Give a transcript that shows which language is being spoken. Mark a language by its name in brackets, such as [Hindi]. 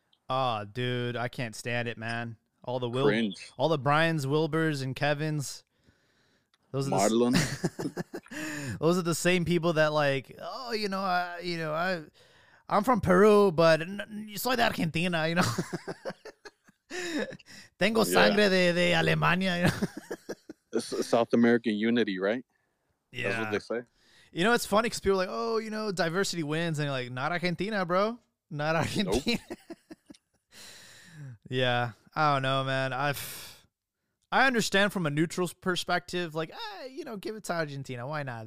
[English] Oh, dude, I can't stand it, man. All the Brian's, Wilbers, and Kevins. Those are the same people that like, oh, you know, I'm from Peru, but you saw the Argentina, you know. [Spanish] Tengo sangre de Alemania. [English] You know? South American unity, right? Yeah. That's what they say. You know, it's funny because people are like, oh, you know, diversity wins. And you're like, not Argentina, bro. Not Argentina. Nope. Yeah. I don't know, man. I understand from a neutral perspective, like, you know, give it to Argentina. Why not?